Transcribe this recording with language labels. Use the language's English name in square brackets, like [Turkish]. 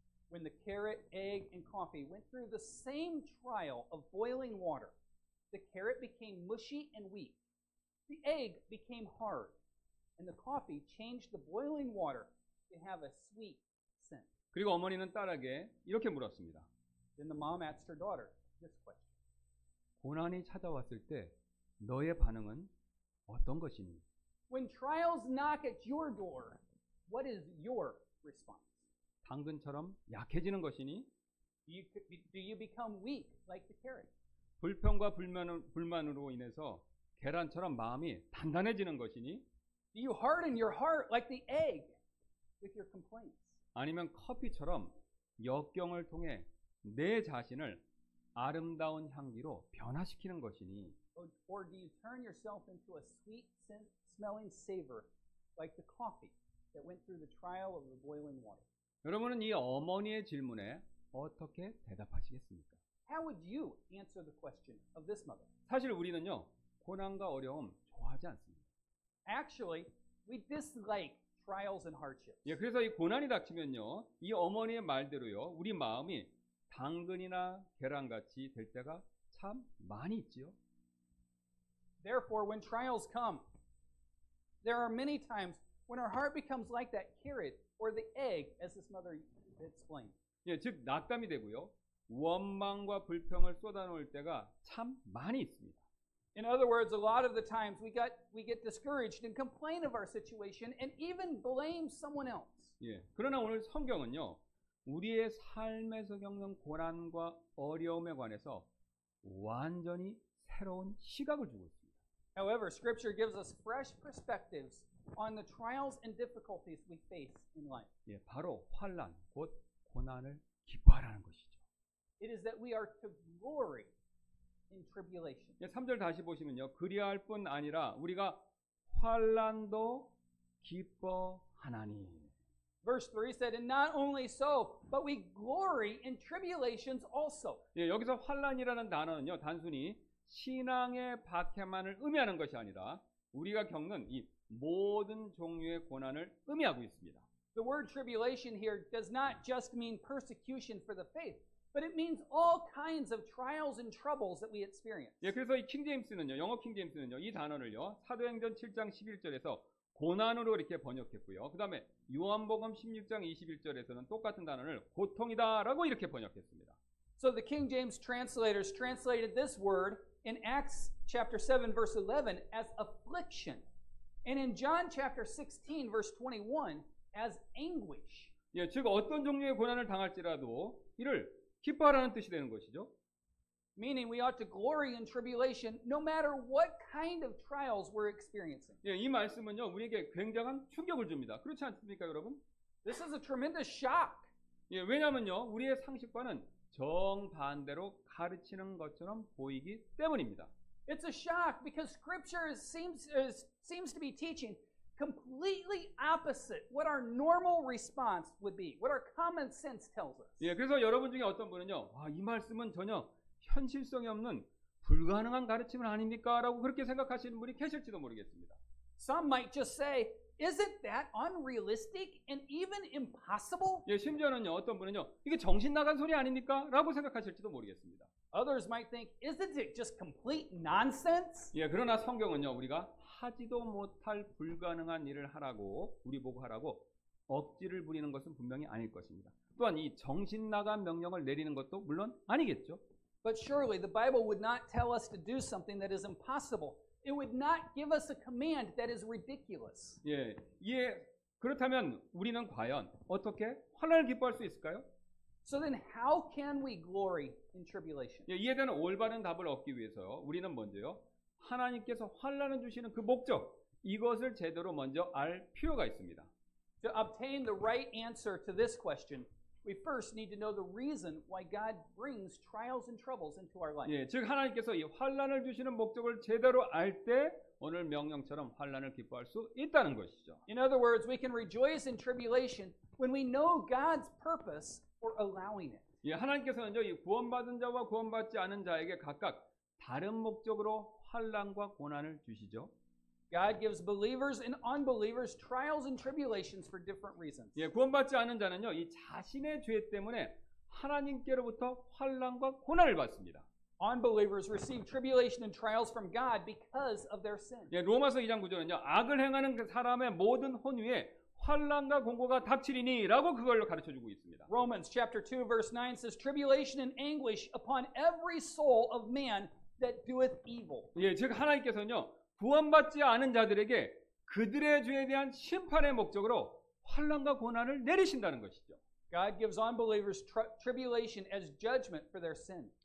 [English] When the carrot, egg, and coffee went through the same trial of boiling water, the carrot became mushy and weak. The egg became hard. And the coffee changed the boiling water to have a sweet scent. [Korean] 그리고 어머니는 딸에게 이렇게 물었습니다. [English] Then the mom asked her daughter this question. [Korean] 고난이 찾아왔을 때 너의 반응은 어떤 것이니? [English] When trials knock at your door, what is your response? [Korean] 당근처럼 약해지는 것이니? [English] Do you become weak like the carrot? [Korean] 불평과 불만으로 인해서 계란처럼 마음이 단단해지는 것이니? [English] Do you harden your heart like the egg with your complaints? [Korean] 아니면 커피처럼 역경을 통해 내 자신을 아름다운 향기로 변화시키는 것이니? [English] Or do you turn yourself into a sweet scent, smelling savor like the coffee that went through the trial of the boiling water? [Korean] 여러분은 이 어머니의 질문에 어떻게 대답하시겠습니까? [English] How would you answer the question of this mother? [Korean] 사실 우리는요, 고난과 어려움 좋아하지 않습니다. [English] Actually, we dislike trials and hardships. [Korean] 예, 그래서 이 고난이 닥치면요, 이 어머니의 말대로요, 우리 마음이 당근이나 계란 같이 될 때가 참 많이 있지요. [English] Therefore, when trials come, there are many times When our heart becomes like that carrot or the egg, as this mother explained. [Korean] 예, 즉 낙담이 되고요. 원망과 불평을 쏟아놓을 때가 참 많이 있습니다. [English] In other words, a lot of the times we get discouraged and complain of our situation and even blame someone else. [Korean] 예, 그러나 오늘 성경은요, 우리의 삶에서 겪는 고난과 어려움에 관해서 완전히 새로운 시각을 주고 있습니다. [English] However, Scripture gives us fresh perspectives on the trials and difficulties we face in life. [Korean] 예, 바로 환난, 곧 고난을 기뻐하라는 것이죠. [English] It is that we are to glory. [Korean] 3절 다시 보시면요. 그리할 뿐 아니라 우리가 환난도 기뻐하나니. [English] Verse 3 said, and not only so, but we glory in tribulations also. [Korean] 예, 여기서 환난이라는 단어는요. 단순히 신앙의 박해만을 의미하는 것이 아니라 우리가 겪는 이 모든 종류의 고난을 의미하고 있습니다. [English] The word tribulation here does not just mean persecution for the faith. But it means all kinds of trials and troubles that we experience. [Korean] 예, 그래서 이 킹 제임스는요, 영어 킹 제임스는요, 이 단어를요, 사도행전 7장 11절에서 고난으로 이렇게 번역했고요. 그 다음에 요한복음 16장 21절에서는 똑같은 단어를 고통이다라고 이렇게 번역했습니다. [English] So the King James translators translated this word in Acts chapter 7 verse 11 as affliction, and in John chapter 16 verse 21 as anguish. [Korean] 예, 즉 어떤 종류의 고난을 당할지라도 이를 기뻐하라는 뜻이 되는 것이죠. [English] Meaning we ought to glory in tribulation no matter what kind of trials we're experiencing. [Korean] 예, 이 말씀은요. 우리에게 굉장한 충격을 줍니다. 그렇지 않습니까, 여러분? [English] This is a tremendous shock. [Korean] 예, 왜냐면요. 우리의 상식과는 정반대로 가르치는 것처럼 보이기 때문입니다. [English] It's a shock because scripture seems to be teaching completely opposite what our normal response would be, what our common sense tells us. [Korean] 예, 그래서 여러분 중에 어떤 분은요, 아, 이 말씀은 전혀 현실성이 없는 불가능한 가르침은 아닙니까?라고 그렇게 생각하시는 분이 계실지도 모르겠습니다. [English] Some might just say, "Isn't that unrealistic and even impossible?" [Korean] 예, 심지어는요, 어떤 분은요, 이게 정신 나간 소리 아닙니까?라고 생각하실지도 모르겠습니다. [English] Others might think, "Isn't it just complete nonsense?" [Korean] 예, 그러나 성경은요, 우리가 하지도 못할 불가능한 일을 하라고 우리 보고 하라고 억지를 부리는 것은 분명히 아닐 것입니다. 또한 이 정신 나간 명령을 내리는 것도 물론 아니겠죠. [English] But surely the Bible would not tell us to do something that is impossible. It would not give us a command that is ridiculous. [Korean] 예, 예. 그렇다면 우리는 과연 어떻게 환난을 기뻐할 수 있을까요? [English] So then how can we glory in tribulation? [Korean] 예, 이에 대한 올바른 답을 얻기 위해서요. 우리는 먼저요. 하나님께서 환난을 주시는 그 목적 이것을 제대로 먼저 알 필요가 있습니다. [English] To obtain the right answer to this question, we first need to know the reason why God brings trials and troubles into our life. [Korean] 예, 즉 하나님께서 이 환난을 주시는 목적을 제대로 알 때 오늘 명령처럼 환난을 기뻐할 수 있다는 것이죠. [English] In other words, we can rejoice in tribulation when we know God's purpose for allowing it. [Korean] 예, 하나님께서는요, 이 구원받은 자와 구원받지 않은 자에게 각각 다른 목적으로 환난과 고난을 주시죠. [English] God gives believers and unbelievers trials and tribulations for different reasons. [Korean] 예, 구원받지 않은 자는요, 이 자신의 죄 때문에 하나님께로부터 환난과 고난을 받습니다. [English] Unbelievers receive tribulation and trials from God because of their sin. [Korean] 예, 로마서 2장 9절은요, 악을 행하는 사람의 모든 혼 위에 환난과 공고가 닥치리니라고 그걸로 가르쳐 주고 있습니다. [English] Romans chapter 2 verse 9 says tribulation and anguish upon every soul of man that doeth evil. [Korean] 예, 즉 하나님께서는요, 구원받지 않은 자들에게 그들의 죄에 대한 심판의 목적으로 환난과 고난을 내리신다는 것이죠. [English] God gives unbelievers tribulation as judgment for their sin.